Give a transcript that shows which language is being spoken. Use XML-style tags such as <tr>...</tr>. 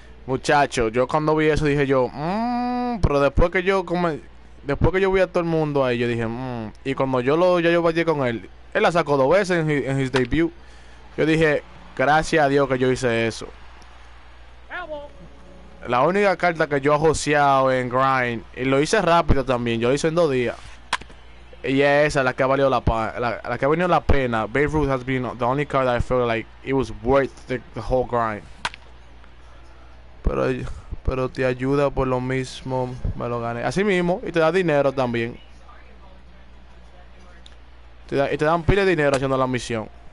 <es>Muchacho, yo cuando vi eso dije yo, pero después que yo como, después que yo vi a todo el mundo ahí, yo dije, y cuando yo lo, ya yo bajé con él, él la sacó dos veces en</es> <en>his debut.</en> <es>Yo dije, gracias a Dios que yo hice eso. La única carta que yo he joseado en Grind, y lo hice rápido también, yo lo hice en 2 días. Y es esa la que ha valido la pena, la que ha venido la pena.</es> <en>Babe Ruth has been the only card that I feel like it was worth the whole grind.</en> <es>Pero te ayuda por lo mismo, me lo gané. Así mismo, y te da dinero también. Te da, y te dan pile de dinero haciendo la misión.</es>